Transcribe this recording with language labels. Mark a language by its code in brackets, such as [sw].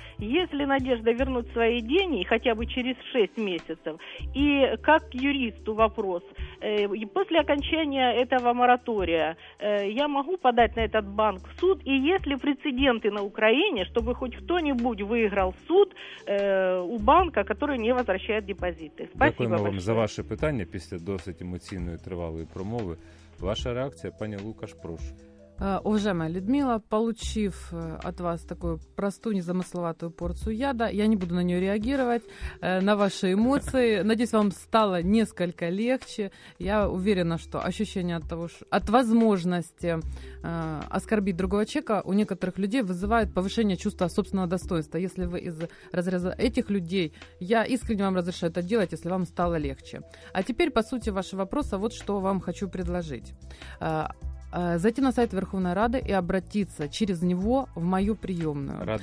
[ru] Если Надежда вернут свои деньги хотя бы через 6 месяцев, и как юристу вопрос, после окончания этого моратория я могу подать на этот банк в суд? И есть ли прецеденты на Украине, чтобы хоть кто-нибудь выиграл суд у банка, который не возвращает депозиты? Спасибо большое. [uk] Дякую вам за ваше питання після досить емоційної тривалої промови. Ваша реакція, пані Лукаш, прошу. [ru] Уважаемая Людмила, получив от вас такую простую незамысловатую порцию яда, я не буду на нее реагировать, на ваши эмоции. Надеюсь, вам стало несколько легче. Я уверена, что ощущение от того, от возможности оскорбить другого человека у некоторых людей вызывает повышение чувства собственного достоинства. Если вы из разряда этих людей, я искренне вам разрешаю это делать, если вам стало легче. А теперь, по сути, ваши вопросы, вот что вам хочу предложить. [uk] Зайти на сайт Верховної Ради і [ru] обратиться [uk] через нього в мою прийомну.